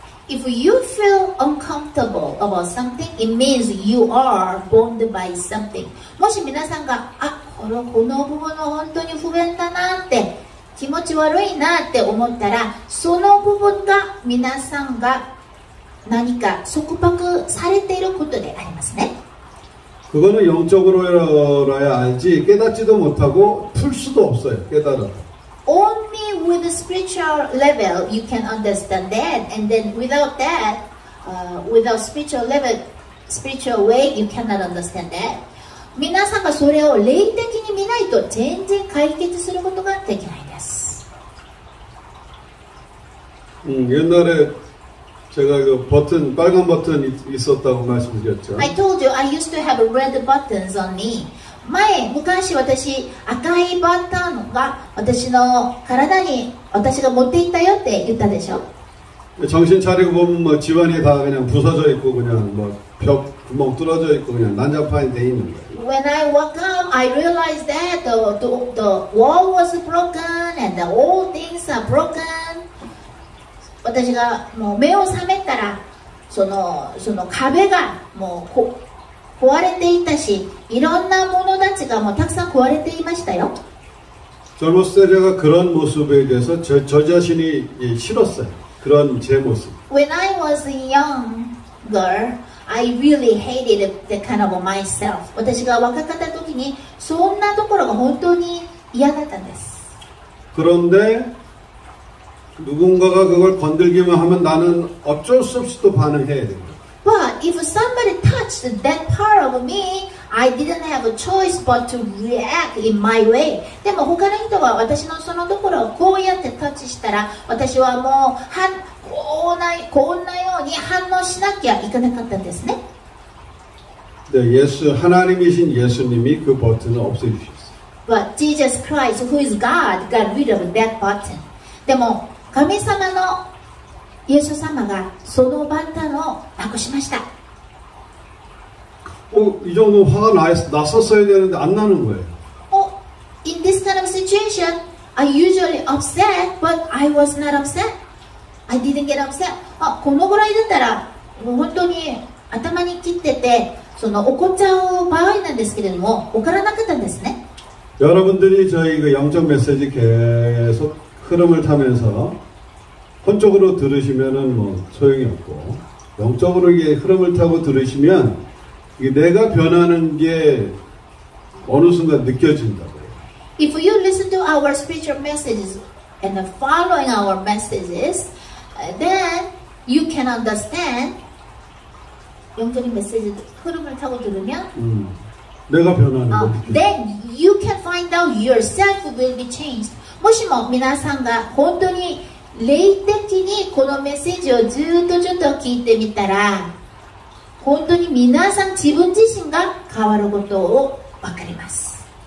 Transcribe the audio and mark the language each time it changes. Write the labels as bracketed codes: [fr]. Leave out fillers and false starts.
[en] If you feel uncomfortable about something, it means you are bound by something. [ja] もし皆さんがあこの部分は本当に不便だなって気持ち悪いなって思ったらその部分が皆さんが何か束縛されていることでありますね。 [ko] 그거는영적으로알아야깨닫지도못하고풀수도없어요깨달아 [en] Only with a spiritual level you can understand that and then without that without spiritual level spiritual way you cannot understand that [ja] 皆さんがそれを霊的に見ないと全然解決することができないです。 [ko] 옛날에제가그버튼빨간버튼이있었다고말씀드렸죠 [en] I told you I used to have red buttons on me [ja] 前昔私赤いバッターンが私の体に私が持っていったよって言ったでしょ。 [ko] 정신차리고보면뭐지방이다그냥부서져있고그냥뭐벽구멍뚫어져있고그냥난장판이돼있는거예요。 [en] When I woke up, I realized that the wall was broken and the old things are broken. [ja] 私がもう目を覚めたら、その壁がもう壊れていたし、いろんなものたちがもうたくさん壊れていましたよ。 [ko] 젊었을때제가그런모습에대해서 저자신이싫었어요그런제모습 [en] When I was a younger, I really hated the kind of myself. [ja] 私が若かった時にそんなところが本当に嫌だったんです。 [ko] 그런데누군가가그걸건들기만하면나는어쩔수없이또반응해야돼요。 [en] But if somebody touched that part of me, I didn't have a choice but to react in my way. [ko] 근데뭐 [ja] 他の人が私のそのところをこうやってタッチしたら私はもう反こんなように反応しなきゃいけなかったんですね。で、イエス、 [ko] 하나님이신예수님이그버튼을없애주셨어요。 [en] But Jesus Christ, who is God, got rid of that button. [ja] でも、神様のイエス様がそのバッターをなくしました。お、 [ko] 이정도화가났었어야되는데안나는거예요。 [ja] お、 [en] in this kind of situation, I usually upset, but I was not upset. I didn't get upset. [ja] あ、このぐらいだったら、もう本当に頭に切ってて、その怒っちゃう場合なんですけれども、怒らなかったんですね。 [ko] 여러분들이저희그영적메시지계속흐름을타면서혼적으로들으시면은뭐소용이없고영적으로이게흐름을타고들으시면이게내가변하는게어느순간느껴진다고요。 [en] If you listen to our spiritual messages and following our messages, then you can understand [ko] 영적인 메시지 흐름을 타고 들으면 내가 변하는 거 [en] Then you can find out yourself will be changed. [ko] 혹시 뭐 [ja] 皆さんが本当に霊的にこの메시지をずっとずっと聞いてみたら本当に皆さん自分自身が変わることを分かります。